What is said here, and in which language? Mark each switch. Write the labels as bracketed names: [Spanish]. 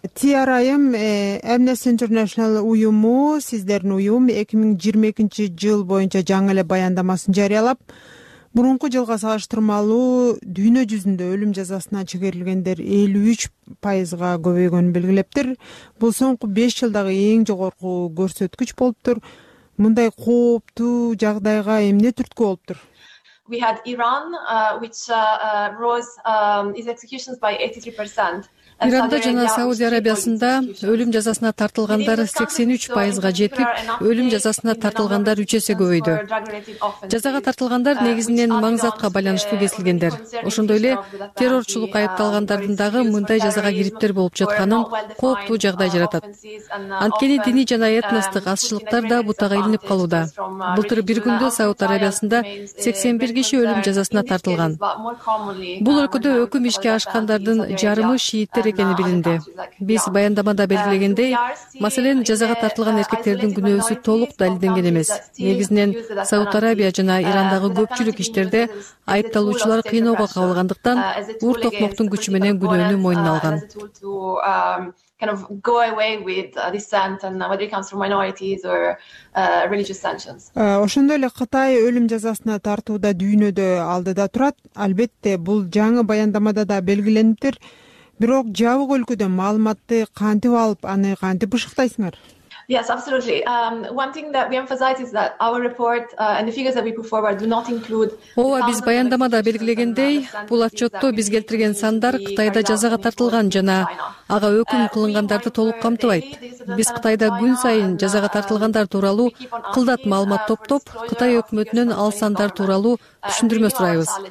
[Kyrgyz] Тиара айым, Amnesty International уюму, сиздердин уюм 2022 жыл боюнча жаңы эле баяндамасын жарыялап, мурунку жылга салыштырмалуу дүйнө жүзүндө өлүм жазасына чегерилгендер 53% көбөйгөнүн белгилептир. Бул соңку 5 жылдагы эң жогорку көрсөткүч болуптур. Мындай кооптуу жагдайга эмне түрткү болуптур? [English] We had Iran, which rose its executions by 83%. [Kyrgyz] Иранда жана Саудия Арабиясында өлүм жазасына тартылгандар 83% жетип, өлүм жазасына тартылгандар 3 эсе көбөйдү. Жазага тартылгандар негизинен маңзатка байланыштуу кесилгендер. Ошондой эле террорчулук айыпталгандардын дагы мындай жазага кириптер болуп жатканын кооптуу жагдай жаратат. Анткени диний жана этностук азчылыктар да бутага илинип калууда. Былтыр бир күндө Саудия Арабиясында 81 киши өлүм жазасына тартылган. Бул өлкөдө өкүм ишке ашкандардын жарымы шииттер экени билинди. Биз баяндамада белгилегендей, маселен жазага тартылган эркектердин күнөөсү толук далилденген эмес. Негизинен Саудия Арабия жана Ирандагы көпчүлүк иштерде айыпталуучулар кыйноого кабылгандыктан уур-токмоктун күчү менен күнөөнү мойнуна алган. [English] Kind of go away with dissent and whether it comes from minorities or religious sanctions. [Kyrgyz] Ошондой эле Кытай өлүм жазасына тартууда дүйнөдө алдыда турат. Албетте, бул жаңы баяндамада да белгилениптир. Бирок жабык өлкөдө маалыматты кантип алып, аны кантип бышыктайсыңар? [English] Yes, absolutely. One thing that we emphasize is that our report and the figures that we put forward do not include. [Kyrgyz] Ооба, биз баяндамада белгилегендей, бул отчетто биз келтирген сандар Кытайда жазага тартылган жана ага өкүм кылынгандарды толук камтыбайт. Биз Кытайда күн сайын жазага тартылгандар тууралуу кылдат маалымат топтоп, Кытай өкмөтүнөн ал сандар тууралуу түшүндүрмө сурайбыз.